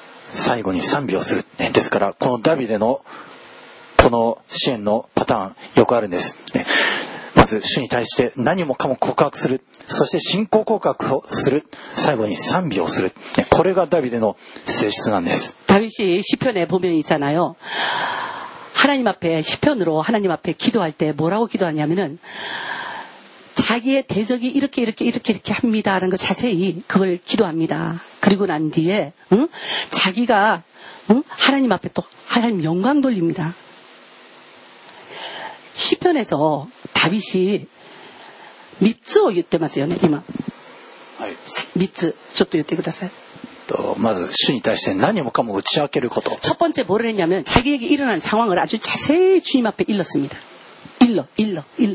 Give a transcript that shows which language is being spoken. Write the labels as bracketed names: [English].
[Japanese] 最後に賛美をするですから、このダビデのこの支援のパターンよくあるんです。まず主に対して何もかも告白する、そして信仰告白をする、最後に賛美をする、これがダビデの性質なんです。ダビデ詩篇 [Korean] 에보면 있잖아요。 하나님 앞에 시편으로 하나님 앞에 기도할 때 뭐라고 기도하냐면은 자 자기의 대적이 이렇게 이렇게 이렇게 이렇게 합니다 라는 거 자세히 그걸 기도합니다. 그리고 난 뒤에 자기가 하나님 앞에 또 하나님 영광 돌립니다. 시편에서 다윗이 [Japanese] 3つを言ってますよね今、はい、 3つちょっと言ってください。とまず主に対して何もかも打ち明けること、 [Korean] 첫번째뭘했냐면자기에게일어난상황을아주자세히주님앞에일렀습니다일러일러일러